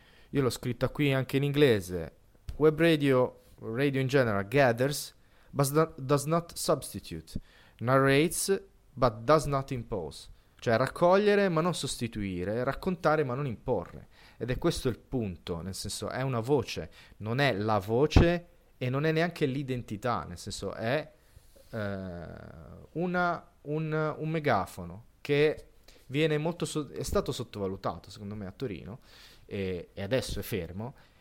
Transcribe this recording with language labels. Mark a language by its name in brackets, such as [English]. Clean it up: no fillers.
[Italian] Io l'ho scritta qui anche in inglese: web radio. [English] Radio in general gathers, but does not substitute, narrates, but does not impose. [Italian] Cioè raccogliere ma non sostituire, raccontare ma non imporre. Ed è questo il punto, nel senso è una voce, non è la voce e non è neanche l'identità, nel senso è un megafono che viene molto è stato sottovalutato, secondo me, a Torino e adesso è fermo.